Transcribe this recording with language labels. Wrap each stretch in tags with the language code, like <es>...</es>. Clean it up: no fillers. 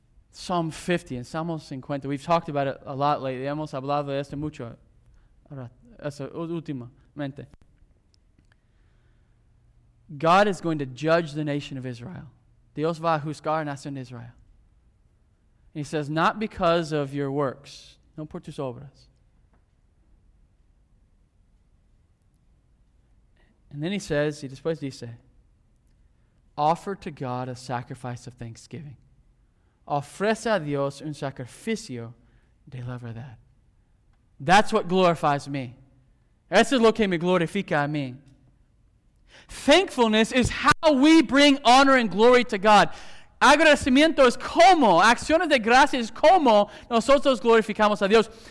<en>Psalm 50 and Salmo 50. We've talked about it a lot lately.</en> <es>Hemos hablado de esto mucho. Esa últimamente.</es> <en>God is going to judge the nation of Israel.</en> <es>Dios va a juzgar a la nación de Israel.</es> <en>And he says, not because of your works, no por tus obras. And then he says, y después dice, offer to God a sacrifice of thanksgiving.</en> <es>Ofrece a Dios un sacrificio de la verdad. That's what glorifies me. Eso es lo que me glorifica a mí.</es> <en>Thankfulness is how we bring honor and glory to God.</en> <es>Agradecimiento es como, acciones de gracia es como nosotros glorificamos a Dios.</es>